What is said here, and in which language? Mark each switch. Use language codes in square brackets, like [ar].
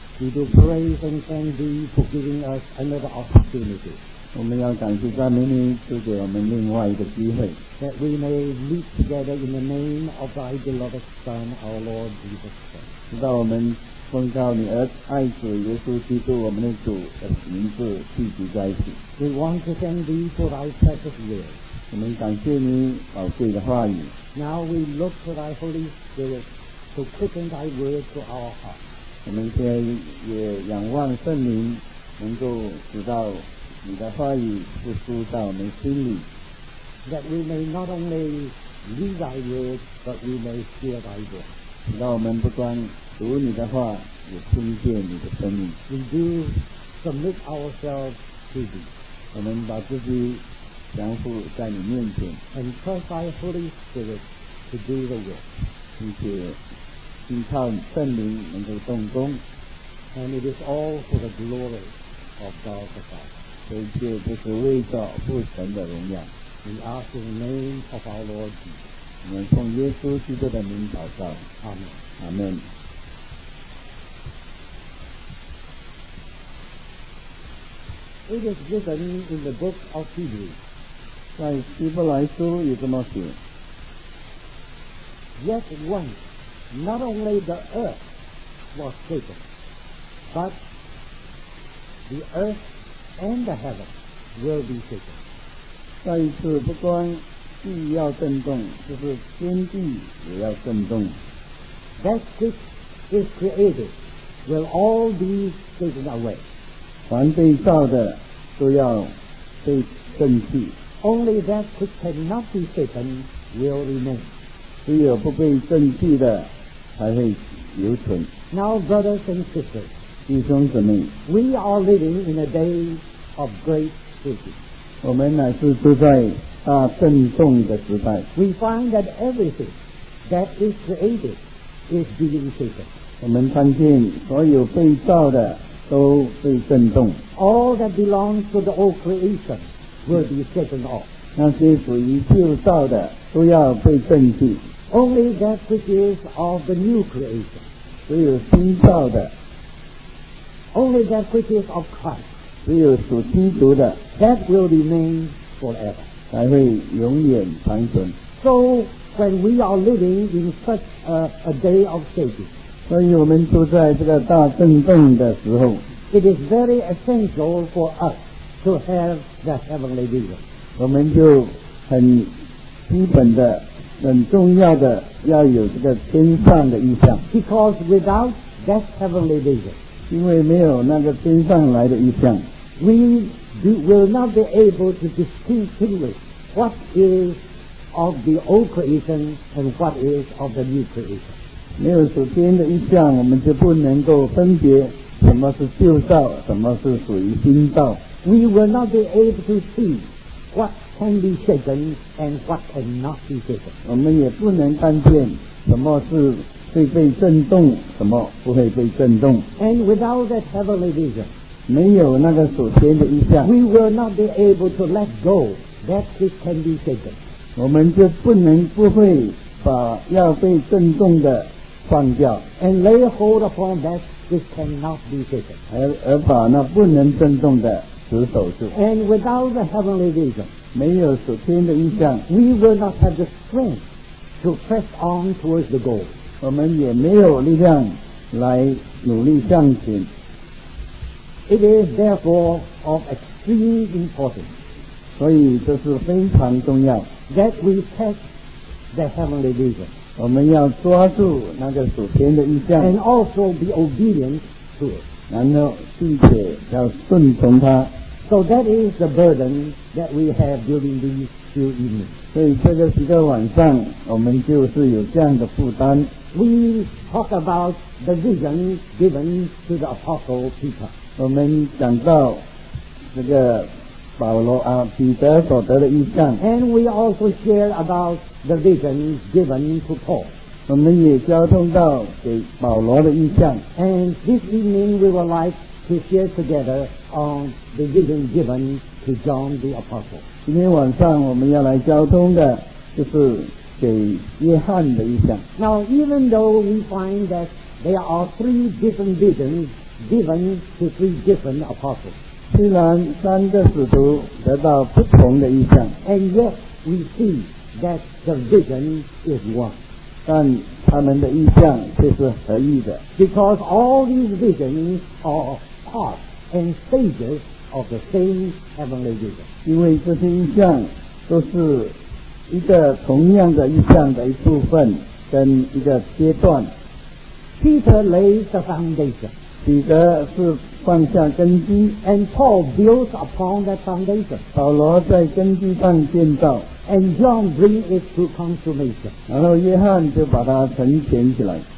[en] We do praise and thank thee for giving us another opportunity. [zh] 我们要感谢赞美你赐给我们另外一个机会 [en] That we may meet together in the name of thy beloved Son, our Lord Jesus Christ. [zh] 直到我们奉告你儿子爱子耶稣基督我们的主的名字聚集在一起 [en] We want to thank thee for thy precious word. [zh] 我们感谢你宝贵的话语 [en] Now we look for thy Holy Spirit. To quicken thy word to our heart. [zh] 我们现在也仰望圣灵，能够知道你的话语复苏到我们心里。 [en] That we may not only read thy word, but we may hear thy voice. [zh] 让我们不光读你的话，也听见你的声音。 [en] We do submit ourselves to thee. [zh] 我们把自己降服在你面前。 [en] And trust thy Holy Spirit to do the work. [zh] 并且依靠圣灵能够动工 [en] and it is all for the glory of God the Father. [zh] 一切都是为着父神的荣耀。 [en] We ask in the name of our Lord Jesus. [zh] 我们奉耶稣基督的名祷告。 [en] Amen. [zh] Amen. 这个是在圣经 [en] in the book of Hebrews. [zh] 在希伯来书有这么写。 [en] Yet one. Not only the earth was shaken, but the earth and the heaven will be shaken. [zh] 再一次，不光地要震动，就是天地也要震动。 [en] That which is created will all be shaken away. [zh] 凡被造的都要被震去。 [en] Only that which cannot be shaken will remain. [zh] 只有不被震去的。才会留存 [en] Now brothers and sisters [zh] 弟兄姊妹 [en] We are living in a day of great shaking [zh] 我们乃是住在大震动的时代 [en] We find that everything that is created is being shaken [zh] 我们看见所有被造的都被震动 [en] All that belongs to the old creation will be shaken off [zh] 那些属于旧造的都要被震去 [en] Only that which is of the new creation. [zh] 只有新造的。 [en] Only that which is of Christ. [zh] 只有属基督的。 [en] That will remain forever. [zh] 才会永远长存。 [en] So when we are living in such a day of shaking. [zh] 所以我们住在这个大震动的时候。 [en] It is very essential for us to have the heavenly vision. [zh] 我们就很基本的很重要的要有这个天上的意象 [en] Because without that heavenly vision [zh] 因为没有那个天上来的意象 [en] We will not be able to distinguish what is of the old creation and what is of the new creation [zh] 没有属天的意象我们就不能够分别什么是旧造什么是属于新造 [en] We will not be able to see whatcan be shaken and what cannot be shaken [zh] 我们也不能看见什么是会被震动什么不会被震动 [en] and without that heavenly vision [zh] 没有那个所见的意象 [en] we will not be able to let go that which can be shaken [zh] 我们就不能不会把要被震动的放掉 [en] and lay hold upon that which cannot be shaken [zh] 而把那不能震动的持守住 [en] and without the heavenly vision [zh] 没有属天的意象 [en] We will not have the strength to press on towards the goal [zh] 我们也没有力量来努力向前 [en] It is therefore of extreme importance [zh] 所以这是非常重要 [en] That we catch the heavenly vision [zh] 我们要抓住那个属天的意象 [en] And also be obedient to it [zh] 然后并且要顺从它 [en] So that is the burden that we have during these few evenings. [zh] 所以这个几个晚上我们就是有这样的负担。 [en] We talk about the vision given to the Apostle Peter. [zh] 我们讲到这个保罗啊彼得所得的意象。 [en] And we also share about the vision given to Paul. [zh] 我们也交通到给保罗的意象。 [en] And this evening we would like to share together on the vision given to John the Apostle. [zh] 今天晚上我们要来交通的就是给约翰的意象。 [en] Now, even though we find that There are three different visions given to three different apostles. [zh] 虽然三个使徒得到不同的意象， [en] and yet we see that the vision is one. [zh] 但他们的意象却是合一的。 [en] Because all these visions are part and stages of the same heavenly vision. [zh] 因为这些意象都是一个同样的意象的一部分跟一个阶段。 [en] Peter lays the foundation. [zh] 彼得是放下根基。 [en] And Paul builds upon that foundation. [zh] 保罗在根基上建造。 [en] And John brings it to consummation. [zh] 然后约翰就把它成全起来。